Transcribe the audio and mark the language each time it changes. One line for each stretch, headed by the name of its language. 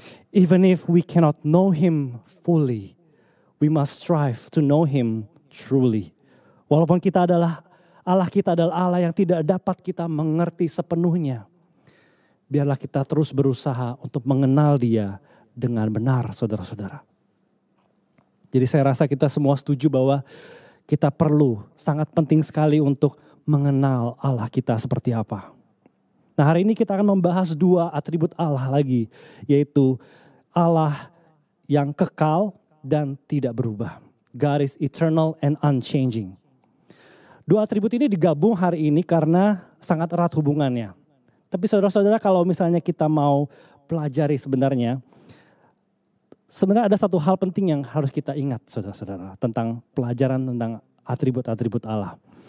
English: Even if we cannot know him fully, we must strive to know him truly.
Indonesian: Walaupun kita adalah Allah, kita adalah Allah yang tidak dapat kita mengerti sepenuhnya. Biarlah kita terus berusaha untuk mengenal dia dengan benar, saudara-saudara. Jadi saya rasa kita semua setuju bahwa kita perlu, sangat penting sekali untuk mengenal Allah kita seperti apa. Nah, hari ini kita akan membahas dua atribut Allah lagi, yaitu Allah yang kekal dan tidak berubah.
English: God is eternal and unchanging.
Indonesian: Dua atribut ini digabung hari ini karena sangat erat hubungannya. Tapi saudara-saudara, kalau misalnya kita mau pelajari sebenarnya, ada satu hal penting yang harus kita ingat, saudara-saudara, tentang pelajaran tentang atribut-atribut Allah.